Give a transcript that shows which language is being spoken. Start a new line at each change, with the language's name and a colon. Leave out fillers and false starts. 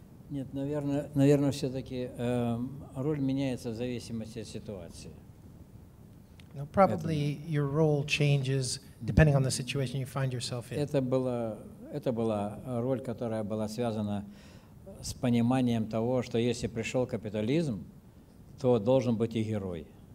Russian: Нет, наверное, все-таки роль меняется в зависимости от ситуации.
English: No, probably your role changes depending on the situation you find yourself in.
Russian: Это была роль, которая была связана с пониманием того, что если пришел капитализм, то должен быть и герой.